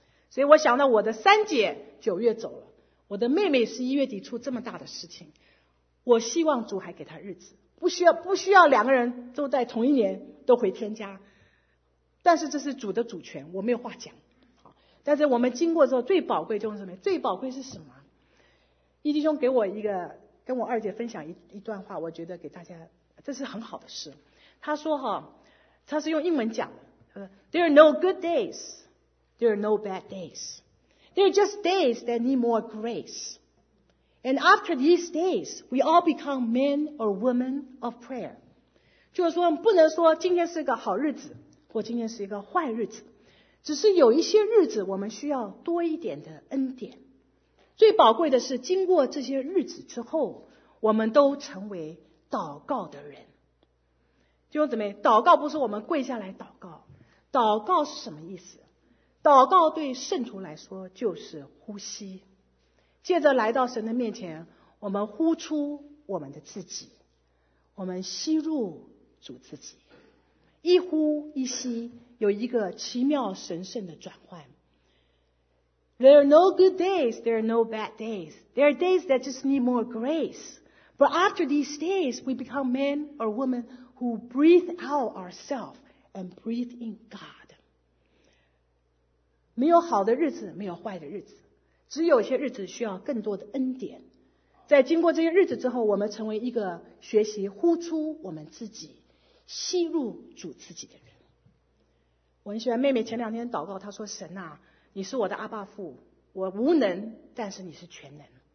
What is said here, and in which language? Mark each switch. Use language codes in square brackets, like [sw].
[zh] 所以我想到我的三姐九月走了，我的妹妹十一月底出这么大的事情，我希望主还给她日子，不需要两个人都在同一年都回天家，但是这是主的主权，我没有话讲。但是我们经过之后最宝贵就是什么？最宝贵是什么？一弟兄给我一个，跟我二姐分享 一段话，我觉得给大家这是很好的事。他说哈，他是用英文讲的，他说 [en] There are no good days, there are no bad days, there are just days that need more grace. And after these days, we all become men or women of prayer. [zh] 就是说不能说今天是个好日子或今天是一个坏日子，只是有一些日子我们需要多一点的恩典。最宝贵的是经过这些日子之后，我们都成为祷告的人。弟兄姊妹，祷告不是我们跪下来祷告，祷告是什么意思？祷告对圣徒来说就是呼吸，借着来到神的面前，我们呼出我们的自己，我们吸入主自己，一呼一吸有一个奇妙神圣的转换。 [en] There are no good days, there are no bad days. There are days that just need more grace. But after these days, we become men or women who breathe out ourselves and breathe in God. [zh] 没有好的日子，没有坏的日子，只有些日子需要更多的恩典。在经过这些日子之后，我们成为一个学习呼出我们自己、吸入主自己的人。我很喜欢妹妹前两天祷告，她说：“神啊，你是我的阿爸父，我无能，但是你是全能。